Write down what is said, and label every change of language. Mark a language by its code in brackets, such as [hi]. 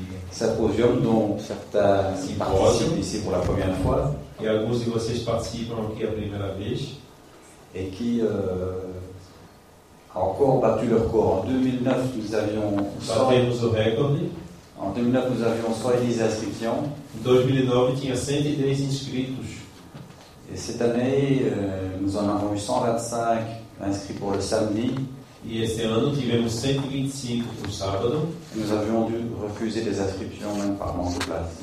[fr] Symposium dont certains participent ici pour la première fois. [pt] Et alguns de vocês participam aqui a primeira vez. [fr] Et qui a encore battu le record. En 2009, nous avions [pt] 100. Batemos o recorde. [fr] En 2009, nous avions 110 inscriptions. [pt] Em 2009, tinha 110 inscritos. [fr] Et cette année, nous en avons eu 125 inscrits pour le samedi. [pt] E esse ano tivemos 125 no sábado. [fr] Nous avions dû refuser des inscriptions même par manque de place.